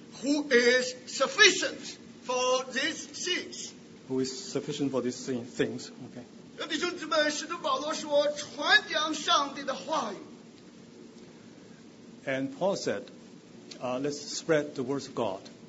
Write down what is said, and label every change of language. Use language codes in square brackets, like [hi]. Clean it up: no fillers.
[en] Who is sufficient for these things? Who is sufficient for these things? Okay. [zh] 弟兄姊妹，使徒保罗说，传讲上帝的话语。 [en] And Paul said, let's spread the word of God.